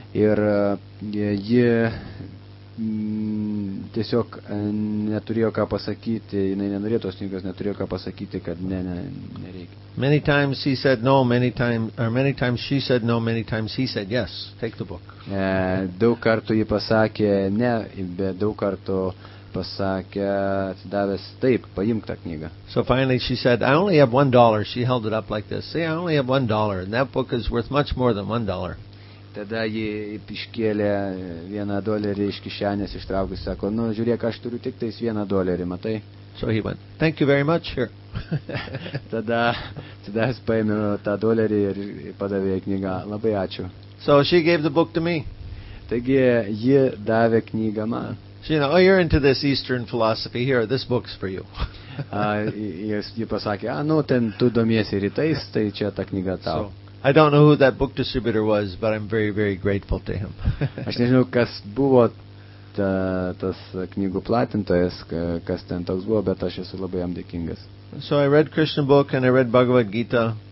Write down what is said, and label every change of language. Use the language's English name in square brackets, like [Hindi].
[Lithuanian] Ir ji tiesiog neturėjo ką pasakyti, jinai nenorėjo tos knygos, neturėjo ką pasakyti, kad ne, nereikia. [English] Many times he said no, many times she said no, many times he said yes, take the book. [Lithuanian] Daug kartų ji pasakė ne, bet daug kartų pasakė, atsidavęs taip, paimk tą knygą. [English] So finally she said, "I only have $1." She held it up like this. "See, I only have $1, and that book is worth much more than $1. [Lithuanian] Tada ji iškėlė vieną dolerį iš kišenės, ištraukusi, sako, nu, žiūrėk, aš turiu tik tais vieną dolerį, matai? [English] So he went, "Thank you very much, here." [Lithuanian] Tada jis paėmė tą dolerį ir padavė knygą, labai ačiū. [English] So she gave the book to me. [Lithuanian] Taigi ji davė knygą man. [English] She said, "Oh, you're into this Eastern philosophy, here, this book's for you." [Lithuanian] Ji pasakė, nu, ten tu domiesi rytais, tai čia ta knyga tau. [English] I don't know who that book distributor was, but I'm very, very grateful to him. [Lithuanian] Aš nežinau, kas buvo tas knygų platintojas, kas ten toks buvo, bet aš esu labai jam dėkingas. [English] So I read Krishna book and I read Bhagavad Gita.